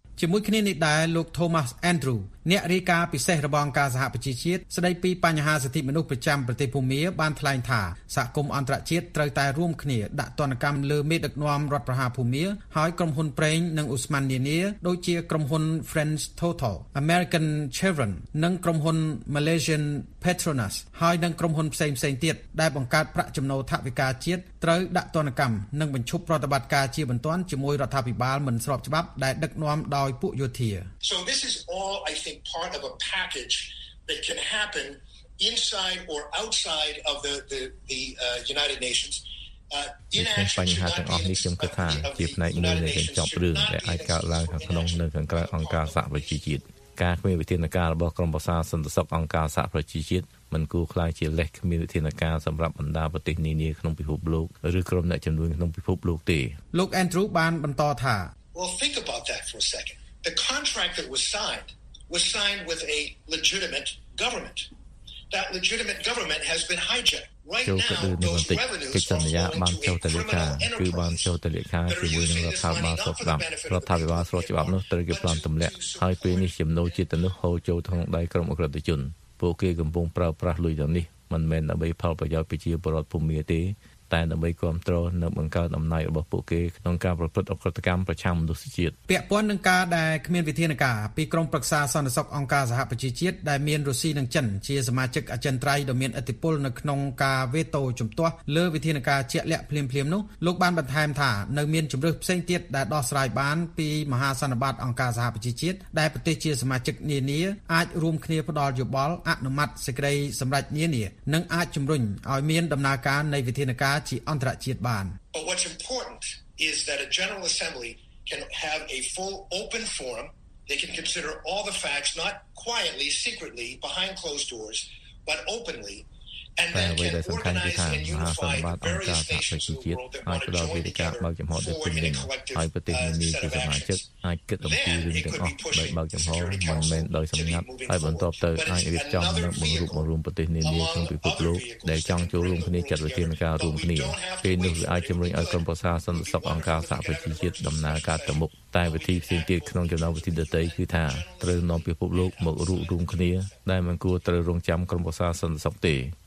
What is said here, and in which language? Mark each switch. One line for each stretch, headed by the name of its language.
Khmer: ជាមួយគ្នានេះដែរលោក Thomas Andrew អ្នករាយការណ៍ពិសេសរបស់អង្គការសហប្រជាជាតិស្ដីពីបញ្ហាសិទ្ធិមនុស្សប្រចាំប្រទេសភូមាបានថ្លែងថាសហគមន៍អន្តរជាតិត្រូវតែរួមគ្នាដាក់ទណ្ឌកម្មលើមេដឹកនាំរដ្ឋប្រហារភូមាហើយក្រុមហ៊ុនប្រេងនិងឧស្ម័ននានាដូចជាក្រុមហ៊ុន French Total American Chevron និងក្រុមហ៊ុន Malaysian Petronas ហើយនិងក្រុមហ៊ុនផ្សេងៗទៀតដែលបង្កើតប្រាក់ចំណូលថវិកាជាតិត្រូវដាក់ទណ្ឌកម្មនិងបញ្ឈប់ប្រតិបត្តិការជាបន្ទាន់ជាមួយរដ្ឋាភិបាលមិនស្របច្បាប់ដែលដឹកនាំដោយពួកយោធា
English: So this is all I think part of a package that can happen inside or outside of the United Nations
Khmer: បញ្ហាទាំងអស់នេះខ្ញុំគិតថាជាផ្នែកមួយនៃការចប់រឿងដែលអាចកើតឡើងក្នុងនៅខាងក្រៅអង្គការសហប្រជាជាតិការគ្មានវិធានការរបស់ក្រុមប្រឹក្សាសន្តិសុខអង្គការសហប្រជាជាតិមិនគួរខ្លាចជាលេសគ្មានវិធានការសម្រាប់បណ្ដាប្រទេសនានាក្នុងពិភពលោកឬក្រុមអ្នកជំនួញក្នុងពិភពលោកទេ លោក Andrew បានបន្តថា
English: Well think about that for a second the contract that was signed with a legitimate government that legitimate government has been hijacked
Khmer: ចូលទៅនៅទីកិច្ចសន្យាបានចូលទៅលេខាគឺបានចូលទៅលេខាជាមួយនឹងរដ្ឋាភិបាលស្រុកច្បាប់រដ្ឋាភិបាលស្រុកច្បាប់នោះត្រូវគេប្លន់ទម្លាក់ហើយពេលនេះចំណូលជាតិនោះហូរចូលក្នុងដៃក្រុមអក្រិតជនពួកគេកំពុងប្រើប្រាស់លុយទាំងនេះមិនមែនដើម្បីផលប្រយោជន៍ប្រជាពលរដ្ឋភូមិទេតែដើម្បីគ្រប់គ្រងនិងបង្កើនអំណាចរបស់ពួកគេក្នុងការប្រព្រឹត្តអក្រកម្មប្រឆាំងមនុស្សជាតិ ពាក់ព័ន្ធនឹងការដែលគ្មានវិធានការពីក្រុមប្រឹក្សាសន្តិសុខអង្គការសហប្រជាជាតិដែលមានរុស្ស៊ីនិងចិនជាសមាជិកអចិន្ត្រៃយ៍ដ៏មានឥទ្ធិពលនៅក្នុងការវេតូជំទាស់លើវិធានការជាក់លាក់ភ្លាមៗនោះលោកបានបន្ថែមថានៅមានជម្រើសផ្សេងទៀតដែលដោះស្រាយបានពីមហាសន្និបាតអង្គការសហប្រជាជាតិដែលប្រទេសជាសមាជិកនានាអាចរួមគ្នាផ្តល់យោបល់អនុម័តសេចក្តីសម្រេចនានានិងអាចជំរុញឲ្យមានដំណើរការនៃវិធានការជាអន្តរជាតិបាន
English: But what's important is that a general assembly can have a full open forum they can consider all the facts not quietly secretly behind closed doors but openly and then can organize a unified various nations in the world that want to join together for a collective set of actions
Khmer: ហើយប្រទេសនានាជាសមាជិកអាចគិតអំពីរឿងទាំងអស់ដោយបើកចំហមិនមែនដោយសម្ងាត់ហើយបន្តទៅអាចរៀបចំនូវបង្រួបបង្រួមប្រទេសនានាក្នុងពិភពលោកដែលចង់ចូលរួមគ្នាចាត់វិធានការរួមគ្នាពេលនេះវាអាចជំរុញឲ្យក្រុមប្រឹក្សាសន្តិសុខអង្គការសហប្រជាជាតិដំណើរការទៅមុខតែវិធីផ្សេងទៀតក្នុងចំណោមវិធីដទៃគឺថាត្រូវនាំពិភពលោកមករួមរួមគ្នាដែលមិនគួរត្រូវរងចាំក្រុមប្រឹក្សាសន្តិសុខទេ